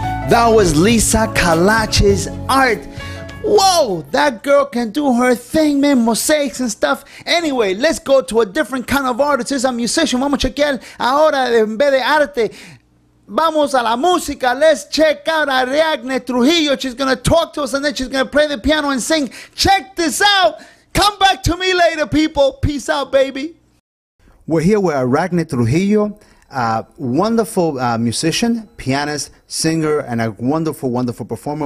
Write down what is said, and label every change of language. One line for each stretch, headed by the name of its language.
English: That was Liza Calache's art. Whoa, that girl can do her thing, man, mosaics and stuff. Anyway, let's go to a different kind of artist. Is a musician.
Spanish: Vamos a chequear ahora en vez de arte. Vamos a la música.
English: Let's check out
Spanish: Ariacne Trujillo.
English: She's going to talk to us, and then she's going to play the piano and sing. Check this out. Come back to me later, people. Peace out, baby. We're here with Ariacne Trujillo. A wonderful musician, pianist, singer, and a wonderful, wonderful performer.